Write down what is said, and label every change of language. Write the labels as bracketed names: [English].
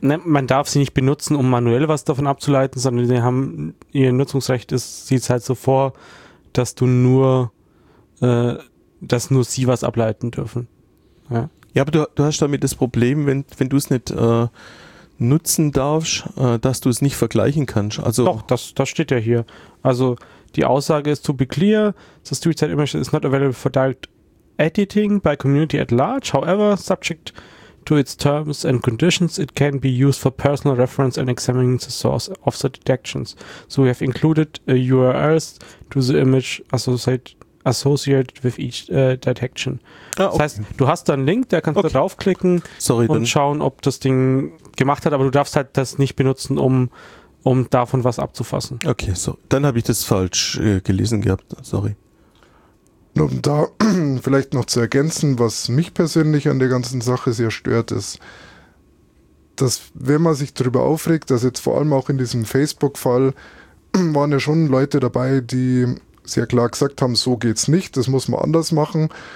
[German] Nee, man darf sie nicht benutzen, um manuell was davon abzuleiten, sondern sie haben ihr Nutzungsrecht sieht es halt so vor, dass du nur, dass nur sie was ableiten dürfen. Ja, aber du hast damit das Problem, wenn du es nicht nutzen darfst, dass du es nicht vergleichen kannst. Also doch, das steht ja hier. Also die Aussage ist, [English] to be clear, the Suicide Image is not available for direct editing by community at large. However, subject to its terms and conditions, it can be used for personal reference and examining the source of the detections. So we have included URLs to the image associated with each detection. [German] Ah, okay. Das heißt, du hast da einen Link, da kannst du draufklicken und schauen, ob das Ding gemacht hat, aber du darfst halt das nicht benutzen, um davon was abzufassen. Okay, so. Dann habe ich das falsch gelesen gehabt. Sorry. Um da vielleicht noch zu ergänzen, was mich persönlich an der ganzen Sache sehr stört, ist, dass wenn man sich darüber aufregt, dass jetzt vor allem auch in diesem Facebook-Fall waren ja schon Leute dabei, die sehr klar gesagt haben, so geht's nicht, das muss man anders machen.